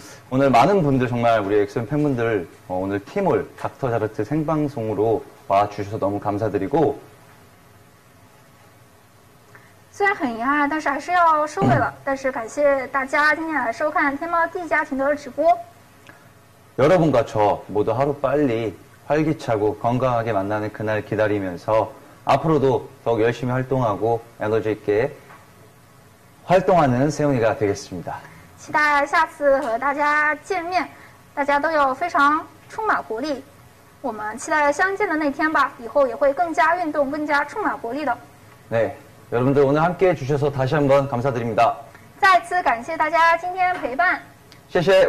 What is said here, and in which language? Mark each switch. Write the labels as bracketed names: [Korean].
[Korean] 오늘 많은 분들 정말 우리 엑스맨 팬분들 오늘 팀을 닥터 자르트 생방송으로 와주셔서 너무 감사드리고 [Chinese] 虽然很遗憾但是还是要收尾了但是感谢大家今天来收看天猫D家庭的直播 [Korean] 여러분과 저 모두 하루 빨리 활기차고 건강하게 만나는 그날 기다리면서 앞으로도 더욱 열심히 활동하고 에너지 있게 활동하는 세훈이가 되겠습니다. [Chinese] 期待下次和大家见面，大家都有非常充满活力。我们期待相见的那天吧，以后也会更加运动，更加充满活力的。 [Korean] 네, 여러분들 오늘 함께해 주셔서 다시 한번 감사드립니다. [Chinese] 再次感谢大家今天陪伴。谢谢，